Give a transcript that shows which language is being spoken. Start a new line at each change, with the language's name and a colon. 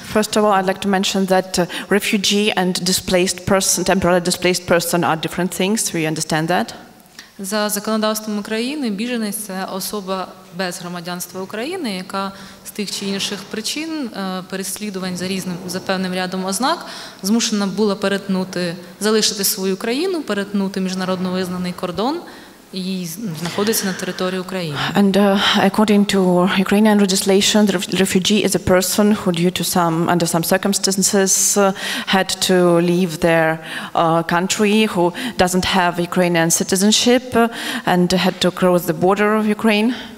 English: First of all, I'd like to mention that refugee and displaced person, temporarily displaced person are different things. We understand that.
Ukrainian: За законодавством України біженець – це особа без громадянства України, яка з тих чи інших причин, переслідувань за різним, за певним рядом ознак, змушена була перетнути, залишити свою країну, перетнути міжнародно визнаний кордон і знаходиться на території України.
English: And according to Ukrainian legislation, the refugee is a person who due to some, under some circumstances, had to leave their country, who doesn't have Ukrainian citizenship and had to cross the border of Ukraine.